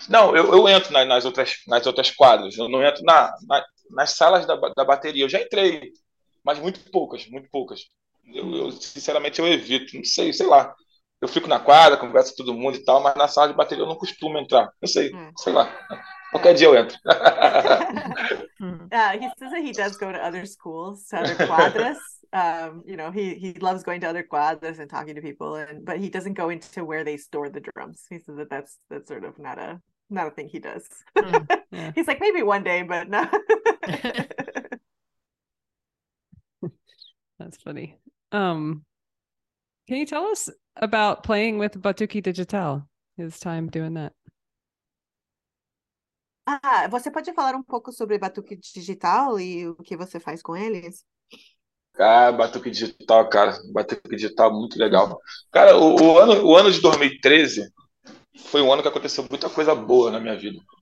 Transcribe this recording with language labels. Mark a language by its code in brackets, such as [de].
[pt] Não, eu entro nas outras quadras. Eu não entro nas salas da bateria. Eu já entrei, mas muito poucas, muito poucas. Eu sinceramente eu evito. Não sei, sei lá. Eu fico na quadra, converso com todo mundo e tal, mas na sala de bateria eu não costumo entrar. Não sei, sei lá. Qualquer dia eu entro. [en] He says that he does go to other schools, to other quadras. You know, he loves going to other quadras and talking to people, but he doesn't go into where they store the drums. He says that that's sort of not a I don't think he does. He's like, maybe one day, but no. That's funny. Can you tell us about playing with Batuque Digital, his time doing that? [pt] Ah, você pode falar um pouco sobre Batuque Digital e o que você faz com eles? Ah, Batuque Digital, cara. Batuque Digital, muito legal. Cara, o ano de 2013 foi um ano que aconteceu muita coisa boa na minha vida.